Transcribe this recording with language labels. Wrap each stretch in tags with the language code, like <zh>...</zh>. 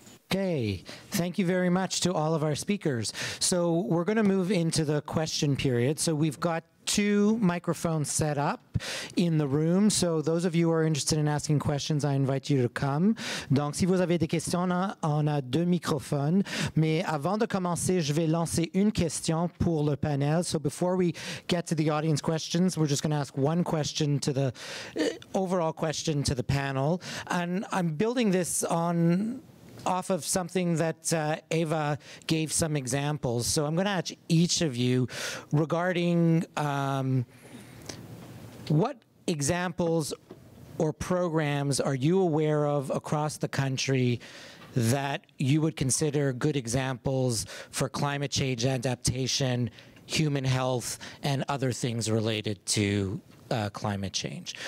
<en>Okay, thank you very much to all of our speakers. So we're going to move into the question period. So we've got two microphones set up in the room. So those of you who are interested in asking questions, I invite you to come.</en> <fr>Donc, si vous avez des questions, on a deux microphones. Mais avant de commencer, je vais lancer une question pour le panel.</fr> <en>So before we get to the audience questions, we're just going to ask one question to the overall question to the panel. And I'm building this on off of something that Eva gave some examples. So I'm going to ask each of you regarding what examples or programs are you aware of across the country that you would consider good examples for climate change adaptation, human health, and other things related to climate change.</en>